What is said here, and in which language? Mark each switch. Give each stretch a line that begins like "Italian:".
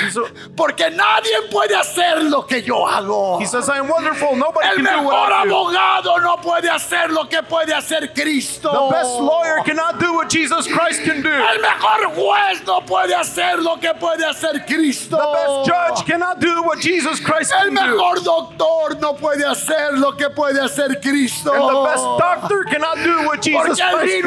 Spanish: So, porque nadie puede hacer lo que yo hago.
English: He says, I am wonderful. Nobody
Spanish: el
English: can do what I do.
Spanish: El abogado no puede hacer lo que puede hacer Cristo.
English: The best lawyer cannot do what Jesus Christ can do.
Spanish: El mejor juez no puede hacer lo que puede hacer Cristo.
English: The best judge cannot do what Jesus Christ can do.
Spanish: El mejor doctor no puede hacer lo que puede hacer Cristo.
English: And the best doctor cannot do what Jesus Christ can do.